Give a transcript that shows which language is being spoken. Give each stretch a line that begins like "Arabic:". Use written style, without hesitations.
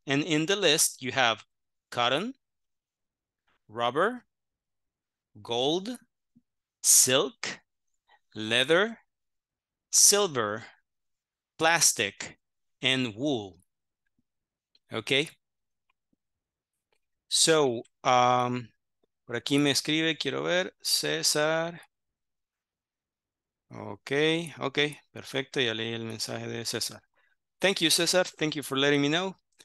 English: And in the list, you have cotton, rubber, gold, silk, leather, silver, plastic, and wool, okay?
Spanish: So, por aquí me escribe, quiero ver, César. Okay, perfecto, ya leí el mensaje de César.
English: Thank you, César, thank you for letting me know.